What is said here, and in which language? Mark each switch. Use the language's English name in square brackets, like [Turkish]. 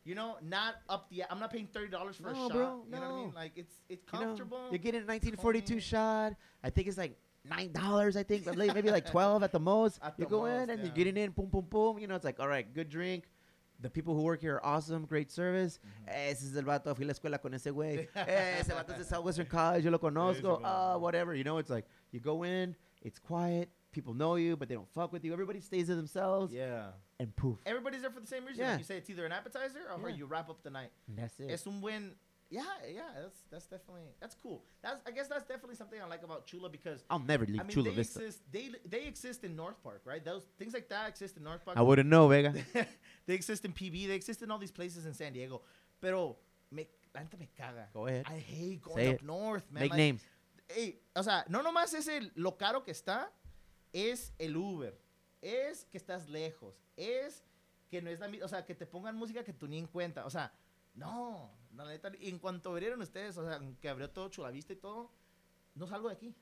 [English] You know, not up the... I'm not paying $30 for a shot. Bro, you know what I mean? Like, it's comfortable. You know, you're getting a 1942 shot. I think it's like... $9, I think, but maybe like 12 at the most. You're getting in, boom, boom, boom. You know, it's like, all right, good drink. The people who work here are awesome, great service. [Spanish] Ese es el vato, fui la escuela con ese güey. Ese vato es de Southwestern College, yo lo conozco. Whatever. [English] You know, it's like, you go in, it's quiet, people know you, but they don't fuck with you. Everybody stays to themselves. Yeah. And poof. Everybody's there for the same reason. Like you say, it's either an appetizer or you wrap up the night. And that's it. [Spanish] Es un buen. [English] Yeah, that's definitely cool. I guess that's definitely something I like about Chula because I'll never leave Chula Vista. They exist in North Park, right? Those things like that exist in North Park. I wouldn't know, Vega. They exist in PB. They exist in all these places in San Diego. [Spanish] Pero la gente me caga. [English] Go ahead. I hate going up north, man. Make names. [Spanish] Hey, o sea, no nomás es lo caro que está, es el Uber, es que estás lejos, es que no es la misma, o sea, que te pongan música que tú ni en cuenta, o sea, no. La neta, en cuanto abrieron ustedes, o sea, que abrió todo Chula Vista y todo, no salgo de aquí.